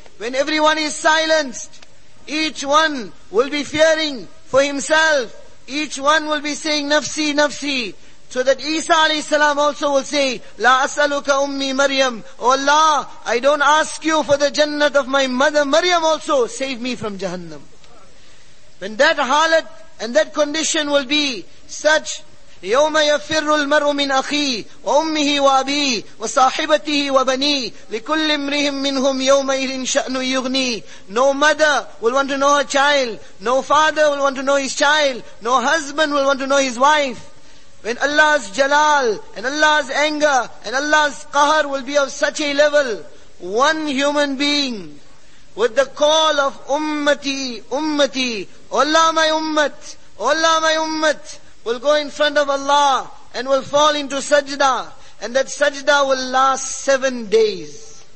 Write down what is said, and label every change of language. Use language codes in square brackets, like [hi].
[en] When everyone is silenced, each one will be fearing for himself. Each one will be saying, Nafsi, Nafsi, So that Isa alayhi salam also will say, [ar] La as'aluka ummi Maryam. [en] Oh Allah, I don't ask you for the jannat of my mother Maryam also. Save me from Jahannam. When that halat and that condition will be such, [ar] يَوْمَ يَفِرُّ الْمَرْءُ مِنْ أَخِيهِ وَأُمِّهِ وَأَبِيهِ وَصَاحِبَتِهِ وَبَنِيهِ لِكُلِّ امْرِئٍ مِّنْهُمْ يَوْمَئِذٍ شَأْنٌ يُغْنِيهِ. [en] No mother will want to know her child. No father will want to know his child. No husband will want to know his wife. When Allah's jalal and Allah's anger and Allah's qahar will be of such a level, one human being with the call of ummati, ummati, Allah my ummat, Allah my ummat, will go in front of Allah and will fall into sajda, and that sajda will last 7 days.